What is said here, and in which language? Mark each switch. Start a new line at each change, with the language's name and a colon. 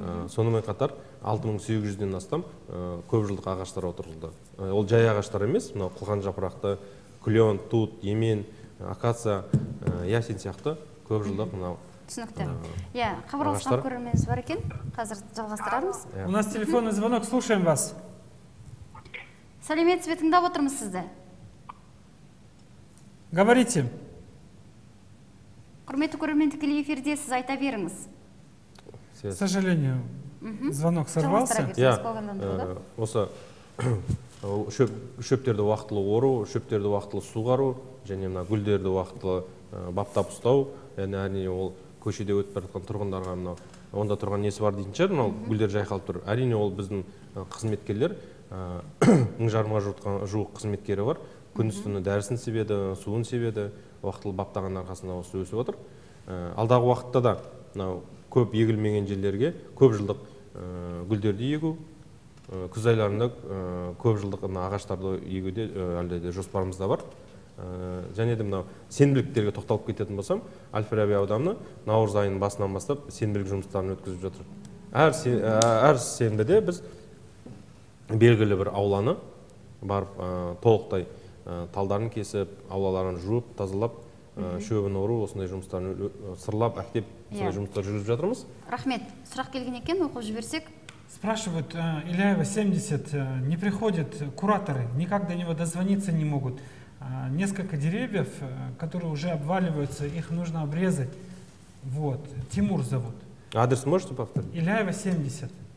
Kazakh: Сонымен қатар 6800-ден астам көп жылдық ағаштар отырғызылды. Ол жай ағаштар емес, мынау қылқан жапырақты, күлен, тут, емен, акация, ясен сияқты көп жылдық мынау. Түсінікті. Иә, хабарласқан көрерменіміз бар екен. Қазір жалғастырамыз.
Russian: У нас телефонный звонок, слушаем вас.
Kazakh: Сәлеметсіз бе, тыңдап отырмыз сізді.
Russian: Говорите.
Kazakh: Құрметті көрермен, тікелей эфирде сіз айта беріңіз.
Russian: К сожалению, звонок сорвался.
Kazakh: Я осы шөптерді уақытылы ору, шөптерді уақытылы суғару, және мына гүлдерді уақытылы баптап ұстау, яғни әрине ол көшеде өтіп бара жатқан тұрғындарға мына онда тұрған несі бар дейтін шығар, мынау гүлдер жайқалып тұр. Әрине ол біздің қызметкерлер, 1500-ға жуық қызметкері бар, күндіз-түні дәрісін себеді, суын себеді, уақытылы баптаған арқасында осы өсіп отыр. Алдағы уақытта да мынау көп егілмеген жерлерге көп жылдық гүлдерді егу, күз айларында көп жылдық ағаштарды егуде әлде де жоспарымызда бар. Және де мынау сенбіліктерге тоқталып кететін болсам, Әл-Фараби ауданы наурыз айының басынан бастап сенбілік жұмыстарын өткізіп жатыр. Әр сенбіде біз белгілі бір ауланы барып толықтай талдарын кесіп, аулаларын жуып, тазалап, шөбін ору, осындай жұмыстарын сырлап, әктеп сондай жұмыстар жүргізіп жатырмыз. Рахмет. Сұрақ келген екен, оқып жіберсек.
Russian: Спрашивают, Иляева, 70, не приходят кураторы, никак до него дозвониться не могут. Несколько деревьев, которые уже обваливаются, их нужно обрезать. Вот, Тимур зовут. Адрес можете повторить? Иляева, 70.